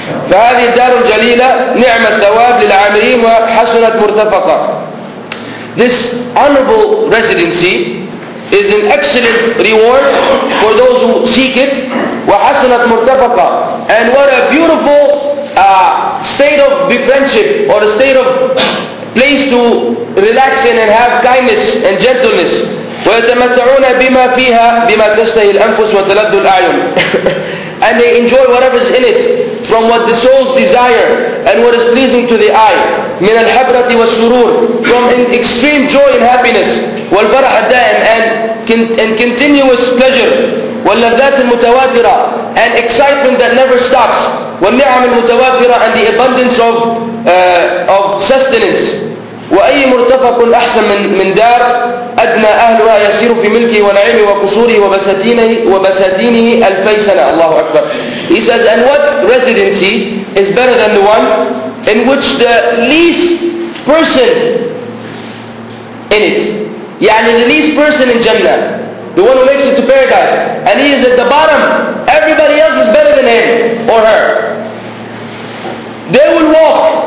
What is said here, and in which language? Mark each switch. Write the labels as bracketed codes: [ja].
[ar] فهذه الدار الجليلة نعمة ثواب للعاملين وحسنة مرتفقة. [en] This honorable residency is an excellent reward for those who seek it. [ar] وحسنة مرتفقة. [en] And what a beautiful state of friendship or a state of place to relax in and have kindness and gentleness. [ar] ويتمتعون بما فيها بما تشتهي الأنفس وتلذ الأعين. [en] And they enjoy whatever is in it from what the souls desire and what is pleasing to the eye. [ar] من الحبرة والسرور [en] from an extreme joy and happiness. [ar] والبرع الدائم [en] and continuous pleasure. [ar] واللذات المتواترة [en] and excitement that never stops. [ar] والنعم المتواترة [en] and the abundance of sustenance. [ar] وأي مرتفق أحسن من دار أدنى أهلها يسير في ملكه ونعيمه وقصوره وبساتينه الفيسنة الله أكبر. [en] He says, and what residency is better than the one in which the least person in it, يعني the least person in Jannah, the one who makes it to paradise, and he is at the bottom, everybody else is better than him or her. They will walk.